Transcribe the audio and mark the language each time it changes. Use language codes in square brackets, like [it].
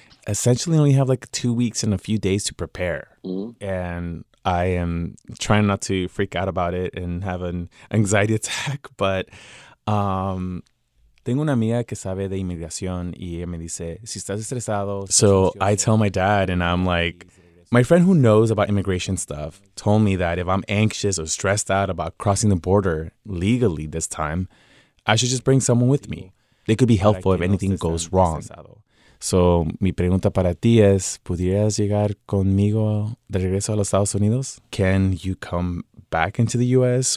[en] Essentially, only have like 2 weeks and a few days to prepare. And I am trying not to freak out about it and have an anxiety attack, but [es] tengo una amiga que sabe de inmigración y ella me dice, si estás estresado. [en] So I tell my dad, and I'm like, my friend who knows about immigration stuff told me that if I'm anxious or stressed out about crossing the border legally this time, I should just bring someone with me. They could be helpful if anything goes wrong. [es] So, mi pregunta para ti es, ¿pudieras llegar conmigo de regreso a los Estados Unidos? [en] Can you come back into the U.S.